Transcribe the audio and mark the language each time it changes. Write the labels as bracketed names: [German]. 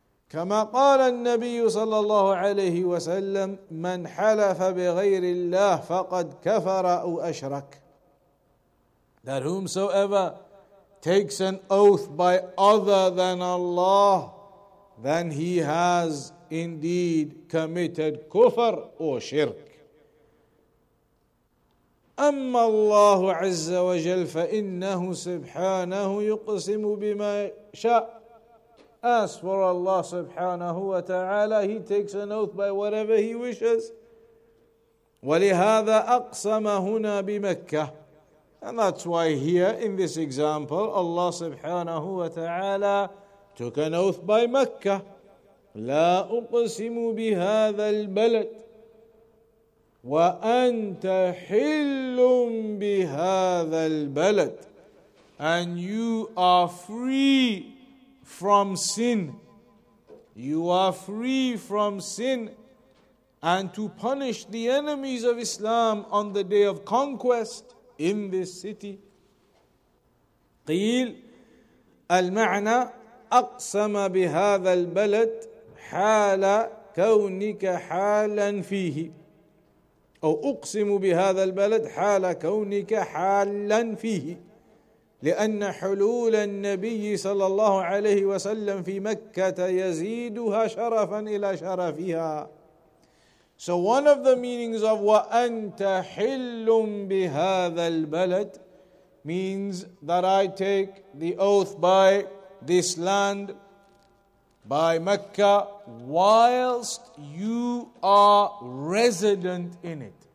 [Arabic] كما قال النبي صلى الله عليه وسلم من حلف بغير الله فقد كفر أو أشرك. [English] That whomsoever takes an oath by other than Allah, then he has indeed committed kufr or shirk. [Arabic] أما الله عز وجل فإنه سبحانه يقسم بما شاء. [English] As for Allah [Arabic] سبحانه وتعالى, [English] He takes an oath by whatever He wishes. [Arabic] ولهذا أقسم هنا بمكة. [English] And that's why here in this example, Allah subhanahu wa ta'ala took an oath by Mecca. [Arabic] La uqsimu bihadha al-balad wa anta hillum bihadha al-balad. [English] And you are free from sin. You are free from sin. And to punish the enemies of Islam on the day of conquest in this city. [Arabic] قيل المعنى أقسم بهذا البلد حال كونك حالا فيه أو أقسم بهذا البلد حال كونك حالا فيه لأن حلول النبي صلى الله عليه وسلم في مكة يزيدها شرفا إلى شرفها. [English] So one of the meanings of [Arabic] وَأَنْتَ حِلٌّ بِهَذَا الْبَلَدِ [English] means that I take the oath by this land, by Mecca, whilst you are resident in it.